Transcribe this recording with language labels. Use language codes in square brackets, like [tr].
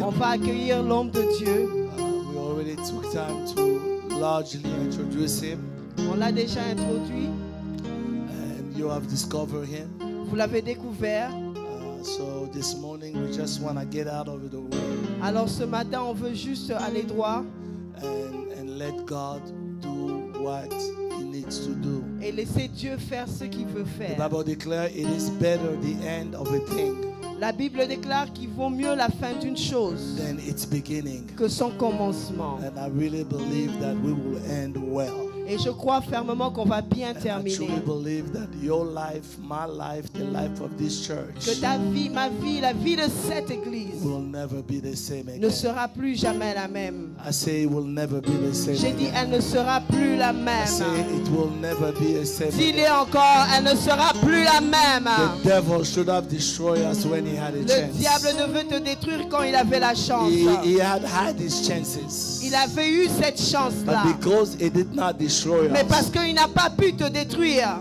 [fr] On va accueillir l'homme de Dieu. [en] We already took time to largely introduce him. [fr] On l'a déjà introduit. [en] And you have discovered him. [fr] Vous l'avez découvert. [en] So this morning we just want to get out of the way. [fr] Alors ce matin on veut juste aller droit. [en] And let God do what he needs to do. [fr] Et laisser Dieu faire ce qu'il veut faire. [en] The Bible declares it is better the end of a thing. [fr] La Bible déclare qu'il vaut mieux la fin d'une chose [en] than its beginning. [fr] Que son commencement. [en] And I really believe that we will end well. [fr] Et je crois fermement qu'on va bien terminer. [en] I truly believe that your life, my life, the life of this church, [fr] que ta vie, ma vie, la vie de cette église [en] will never be the same again. [fr] Ne sera plus jamais la même. [en] I say it will never be the same. [fr] J'ai dit elle ne sera plus la même. [en] I say it will never be the same. [fr] Dis-le encore, elle ne sera plus la même. [en] The devil should have destroyed us when he had a chance. [fr] Le diable devait te détruire quand il avait la chance. [en] He had had his chances. [fr] Il avait eu cette chance là. [en] But because he did not destroy us, [fr] mais parce qu'il n'a pas pu te détruire,